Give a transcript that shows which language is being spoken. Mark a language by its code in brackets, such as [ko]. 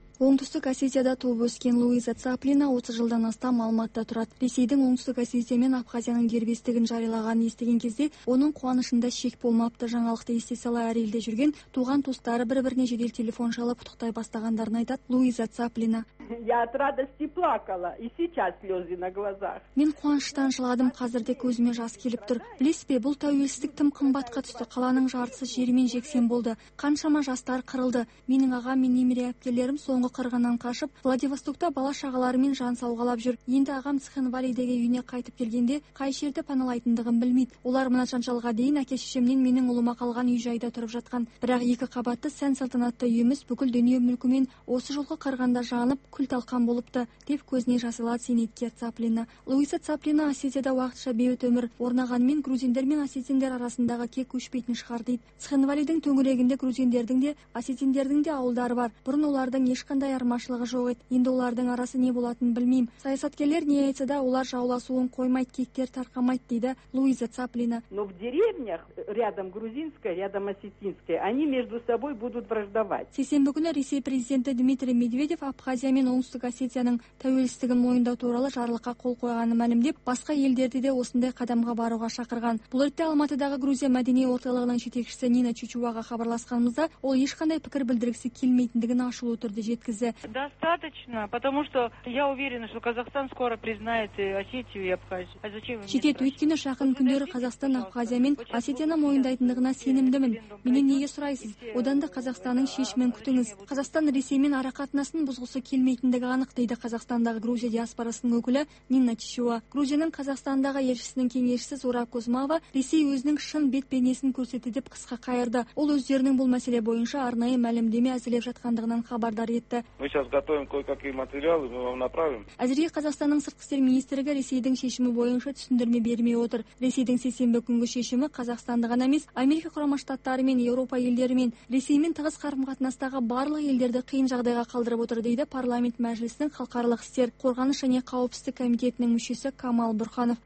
[kk] Оңтүстік Осетияда туып өскен Луиза Цаплина 30 жылдан астам Алматыда тұрады. Ресейдің Оңтүстік Осетия мен Абхазияның дербестігін жариялағанын естіген кезде оның қуанышында шек болмапты. Жаңалықты есте сала әр елде жүрген туған туыстары бір-біріне жедел телефон шалып құттықтай бастағандарын айтады Луиза Цаплина. [ru] Я от радости плакала, и сейчас слезы на глазах. [kk] Мен қуаныштан жыладым, қазір де көзіме жас келіп тұр. Білесіз бе, бұл тәуелсіздік тым қымбатқа түсті. Қаланың жартысы жермен жексен болды. Қаншама жастар қырылды. Менің ағам мен немере әпкелерім соңғы қырғыннан қашып, Владивостокта бала шағаларымен жан сауғалап жүр. Енді ағам Цхинвалидегі үйіне қайтып келгенде, қай жерде паналайтындығын білмейді. Олар мына жанжалға дейін әке шешемнен менің ұлыма қалған үй-жайда тұрып жатқан. Бірақ екі қабатты сән-салтанатты үйіміз бүкіл дүние мүлкімен осы жолғы қырғанда жанып, күл талқан болыпты, деп көзіне жас алады зейнеткер Цаплина. Луиза Цаплина Осетияда уақытша бейбіт өмір орнағанымен грузиндер мен осетиндер арасындағы кек өшпейтін шығар дейді. Цхинвалидің төңірегінде грузиндердің де, осетиндердің де ауылдары бар. Бұрын олардың ешқандай айырмашылығы жоқ еді. Енді олардың арасы не болатынын білмеймін. Саясаткерлер не айтса да олар жауласуын қоймайды, кектер тарқамайды, дейді Луиза Цаплина. [ru] Но в деревнях рядом грузинская, рядом осетинская, они между собой будут враждовать. [kk] Сейсенбі күні Ресей президенті Дмитрий Медведев Абхазия мен Оңтүстік Осетияның тәуелсіздігін мойындау туралы жарлыққа қол қойғаны мәлімдеп, басқа елдерді де осындай қадамға баруға шақырған. Бұл ретте Алматыдағы Грузия мәдени орталығының жетекшісі Нина Чучуваға хабарласқанымызда, ол ешқандай пікір білдіргісі келмейтіндігін ашулы түрде жеткізді. [ru] Достаточно, потому что я уверена, что Казахстан скоро признает Осетию и Абхазию. А зачем мне? [kk] Жетет, өйткені жақын күндері Қазақстан Абхазия мен Осетияны мойындайтындығына сенімдімін. Менен неге сұрайсыз? Одан да Қазақстанның шешімін күтіңіз. Қазақстан Ресей мен арақатынасын бұзғысы келмейтіндігі анық, дейді Қазақстандағы Грузия диаспорасының өкілі Нина Чишуа. Грузияның Қазақстандағы елшісінің кеңесшісі Зура Кузмава Ресей өзінің шын бет-бейнесін көрсетті деп қысқа қайырды. Ол өздерінің бұл мәселе бойынша арнайы мәлімдеме әзірлеп жатқандығынан хабардар етті. [ru] Мы сейчас готовим кое-какие материалы, мы вам направим. [kk] Әзірге Қазақстанның сыртқы істер министрлігі Ресейдің шешімі бойынша түсіндірме бермей отыр. Ресейдің сейсенбі күнгі шешімі Қазақстанды ғана емес, Америка Құрама Штаттары мен Еуропа елдері мен Ресеймен тығыз қарым-қатынастағы барлық елдерді қиын жағдайға қалдырып отыр, дейді парламент мәжілісінің халықаралық істер, қорғаныс және қауіпсіздік комитетінің мүшесі Камал Бұрханов.